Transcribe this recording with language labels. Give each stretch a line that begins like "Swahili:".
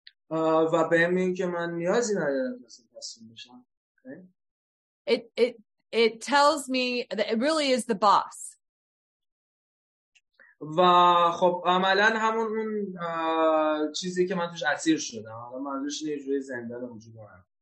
Persian: و به این میگه که من نیازی ندارم تسلیم بشم.
English: Okay. It tells me that it really is the boss.
Persian: و خب عملا همون اون چیزی که من توش اسیر شدم. حالا منظورش اینه جوری زندان وجود دارم.